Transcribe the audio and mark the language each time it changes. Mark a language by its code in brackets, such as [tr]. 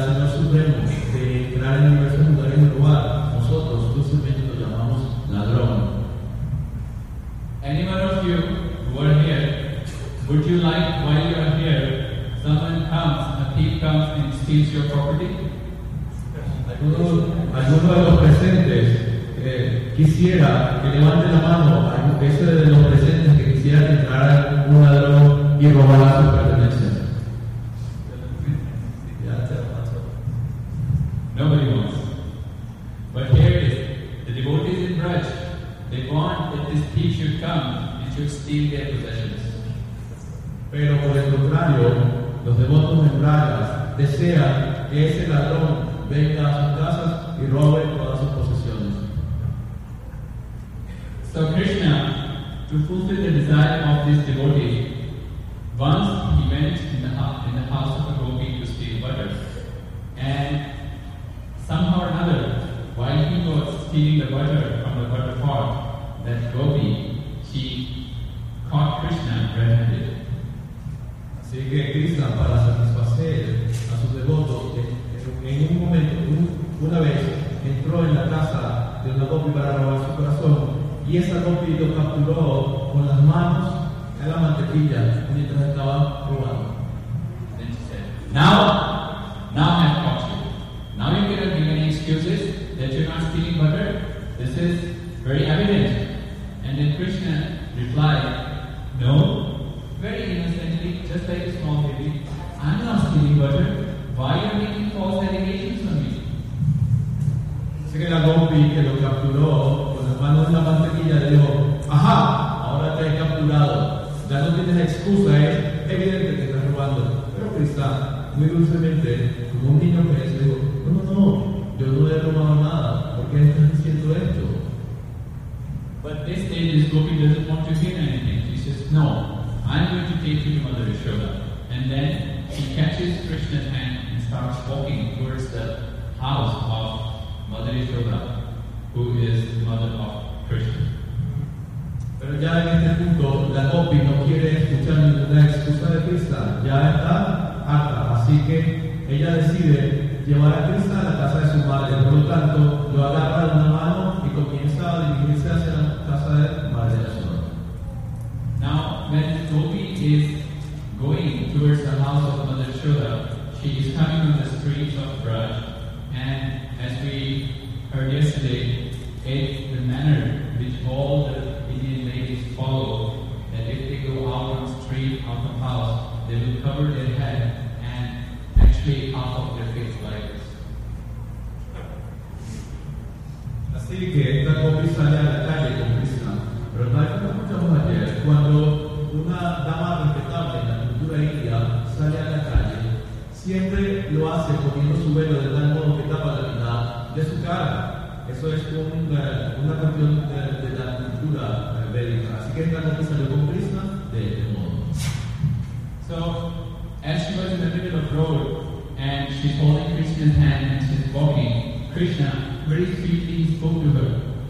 [es] supremos de entrar en el universo mundial y robar, nosotros dulcemente lo llamamos ladrón. [en] Anyone of you who are here, would you like, while you are here, someone comes, a thief comes and steals your property? [es] ¿Alguno de los presentes quisiera que levante la mano a ese de los presentes que quisiera que entrara un ladrón y robara su pertenencia? [en] Nobody wants. But here it is. The devotees in Braj, they want that this thief should come and should steal their possessions. [es] Pero por el contrario, los devotos en Braj desean que ese ladrón venga a sus casas y robe todas sus posesiones. [en] So Krishna, to fulfill the desire of this devotee, once he went in the house of a gopi to steal butter, and somehow or another, while he was stealing the butter from the butter pot, that gopi, she caught Krishna red-handed. [es] Así que Krishna, para satisfacer a sus devotos, en un momento, una vez, entró en la casa de una gopi para robar su corazón, y esa gopi lo capturó con las manos en la mantequilla mientras estaba robando. [en] Then she said, Now I have caught you. Now you cannot give any excuses that you're not stealing butter. This is very evident. And then Krishna replied, No, very innocently, just like a small baby, I'm not stealing butter. Why are you making false allegations on me? [es] Así que la gopi que lo capturó con las manos de la mantequilla dijo, Ajá, ahora te he capturado. Ya no tienes excusa, es evidente que estás robando. Pero Krishna, muy dulcemente, como un niño que es, dijo, No, yo no he robado nada. ¿Por qué estás diciendo esto? [en] But this day this gopi doesn't want to hear anything. She says, No, I'm going to take you to Mother Yashoda. And then she catches Krishna's hand and starts walking towards the house of Mother Yashoda, who is the mother of Krishna. [es] Pero ya en este punto, la gopi no quiere escuchar ninguna excusa de Krishna. Ya está harta. Así que ella decide llevar a Krishna a la casa de su madre. Por lo tanto, lo agarra de una mano y comienza a dirigirse hacia la casa de Mother Yashoda. [en] Now, when the gopi is going towards the house of Mother Yashoda, she is coming on the streets of Braj, and as we heard yesterday, it's the manner which all the Indian ladies follow, that if they go out on the street of the house, they will cover their head and actually half of their face lies. [es] Así que esta gopi sale a la calle con Krishna, pero tal como escuchamos ayer, cuando una dama respetable en la cultura india sale a la calle, siempre lo hace poniendo su velo de tal modo que tapa la mitad de su cara. Eso es como una cuestión de la cultura védica. Así que esta gopi salió con Krishna de este modo. [en] So, as she was in the middle of the road and she's holding Krishna's hand and she's walking, Krishna very sweetly spoke to her.